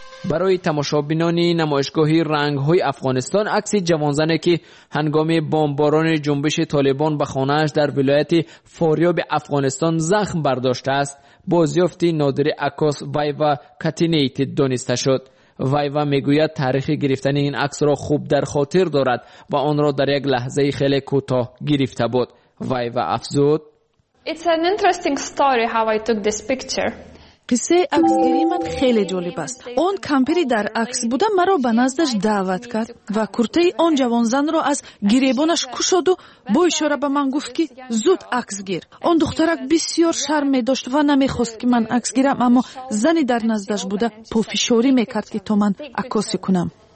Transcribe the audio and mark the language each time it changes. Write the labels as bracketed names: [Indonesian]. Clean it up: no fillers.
[Persian] برای تماشابینان نمایشگاهی رنگ‌های افغانستان، عکس جوانزنی که هنگام بمباران جنبش طالبان به خانه‌اش در ولایت فاریاب افغانستان زخم برداشته است، بازیافت نادر عکاس وایوا کاتینیت دانسته شد. وایوا میگوید تاریخ گرفتن این عکس را خوب در خاطر دارد و آن را در یک لحظه خیلی کوتاه گرفته بود. وایوا افزود: [English] It's an interesting story how I took this picture. [Persian] قصه عکس گیری من خیلی جالب است. اون کمپری در عکس بوده مرا به نزدش دعوت کرد و کرته اون جوان زن را از گریبانش کشد و با اشاره به من گفت که زود عکس گیر. اون دخترک بسیار شرم می داشت و نمی خواست که من عکس گیرم، اما زنی در نزدش بوده پافشاری می کرد که تو من عکاسی کنم.